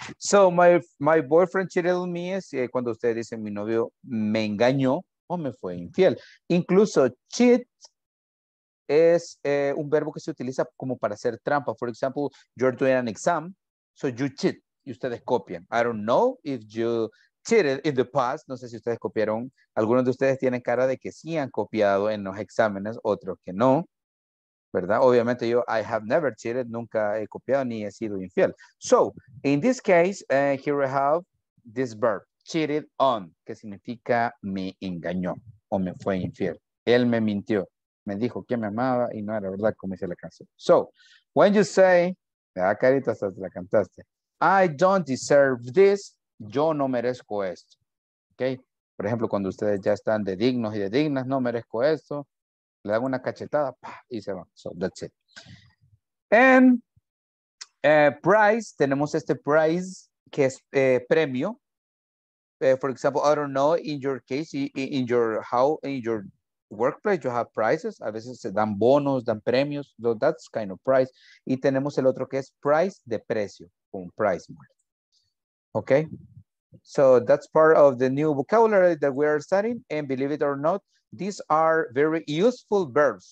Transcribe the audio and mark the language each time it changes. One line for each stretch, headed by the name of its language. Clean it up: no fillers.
English: So, my boyfriend cheated on me
Spanish: es cuando ustedes dicen mi novio me engañó o me fue infiel. Incluso cheat es un verbo que se utiliza como para hacer trampa.
English: For example, you're doing an exam, so you cheat.
Spanish: Y ustedes copian.
English: I don't know if you... cheated in the past,
Spanish: no sé si ustedes copiaron, algunos de ustedes tienen cara de que sí han copiado en los exámenes, otros que no, ¿verdad? Obviamente yo,
English: I have never cheated,
Spanish: nunca he copiado ni he sido infiel.
English: So, in this case, here we have this verb, cheated on,
Spanish: que significa me engañó o me fue infiel. Él me mintió, me dijo que me amaba y no era verdad, como dice la canción.
English: So, when you say,
Spanish: me da carita hasta te la cantaste,
English: I don't deserve this,
Spanish: yo no merezco esto, ¿ok? Por ejemplo, cuando ustedes ya están de dignos y de dignas, no merezco esto, le dan una cachetada, ¡pah! Y se van.
English: So, that's it. And prize,
Spanish: tenemos este prize que es premio.
English: For example, I don't know, in your case, in your house, in your workplace you have prizes.
Spanish: A veces se dan bonos, dan premios.
English: So that's kind of price.
Spanish: Y tenemos el otro que es price de precio.
English: Un price mark. Okay? So that's part of the new vocabulary that we are studying. And believe it or not, these are very useful verbs.